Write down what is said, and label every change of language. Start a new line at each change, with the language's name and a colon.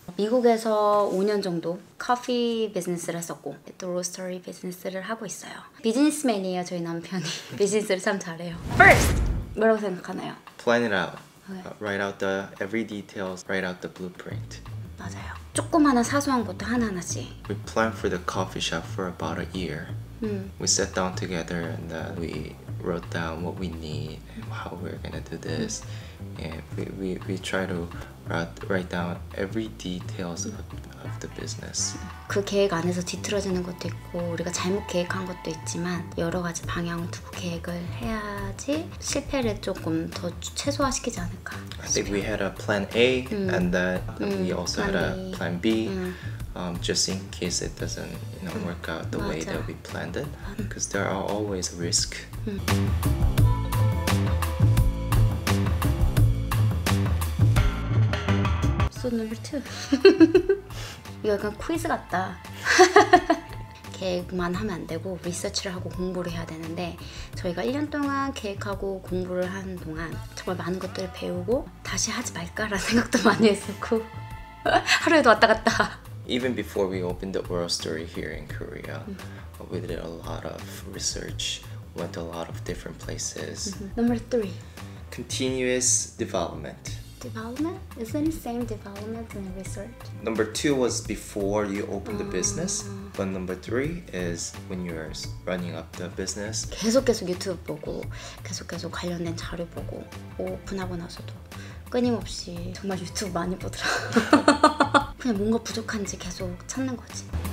Korean: 미국에서 5년 정도 커피 비즈니스를 했었고 또 로스터리 비즈니스를 하고 있어요. 비즈니스맨이에요, 저희 남편이. 비즈니스를 참 잘해요. First! 뭐라고 생각하나요?
English: Plan it out. Okay. Write out the every details. Write out the blueprint.
Korean: 맞아요. 조그마한 사소한 것도 하나하나씩.
English: We planned for the coffee shop for about a year. We sat down together and then we wrote down what we need and how we're gonna do this. And we try to write down every details of the business.
Korean: 그 계획 안에서 뒤틀어지는 것도 있고 우리가 잘못 계획한 것도 있지만 여러 가지 방향을 두고 계획을 해야지 실패를 조금 더 최소화시키지 않을까.
English: I think we had a plan A and that we also had a plan B. Just in case it doesn't you know, work out the
Korean: 맞아.
English: way that we planned it. Because there are always risks.
Korean: 소
English: number two.
Korean: 이거 약간 퀴즈 같다. 계획만 하면 안 되고 리서치를 하고 공부를 해야 되는데 저희가 1년 동안 계획하고 공부를 한 동안 정말 많은 것들을 배우고 다시 하지 말까라는 생각도 많이 했었고 하루에도 왔다 갔다.
English: Even before we opened the oral story here in Korea, we did a lot of research, went to a lot of different places. Number three. Continuous development. Development? Isn't it the same development in research? Number two was before you opened the business. But number three is when you're running up the business.
Korean: 계속 유튜브 보고, 계속 관련된 자료 보고, 오픈하고 나서도 끊임없이 정말 유튜브 많이 보더라. 그냥 뭔가 부족한지 계속 찾는 거지.